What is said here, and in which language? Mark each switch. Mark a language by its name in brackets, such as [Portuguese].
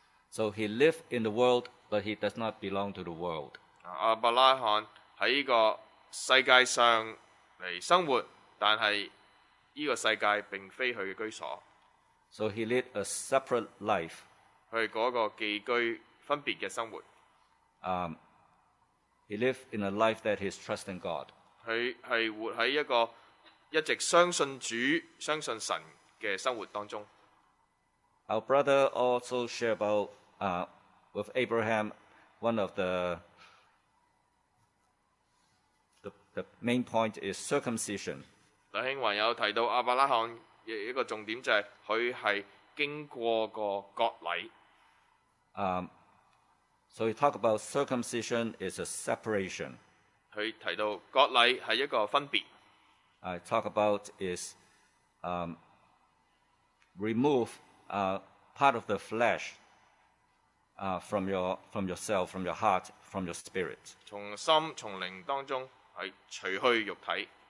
[English] So he lived in the world, but he does not belong to the world. [Chinese] 亚伯拉罕在这个世界上来生活，但是这个世界并非他的居所。 [English] So he led a separate life. [Chinese] 他是那个寄居分别的生活。 [English] He lived in a life that he's trusting God. [Chinese] 他是活在一个一直相信主、相信神的生活当中。 [English] Our brother also shared about with Abraham one of the main point is circumcision. [Chinese] 弟兄还有提到亚伯拉罕一个重点，就是他是经过个割礼。 [English] So he talked about circumcision is a separation. [Chinese] 他提到割礼是一个分别。 [English] I talk about is remove part of the flesh from yourself, from your heart, from your spirit. [Chinese] 从心从灵当中是除去肉体。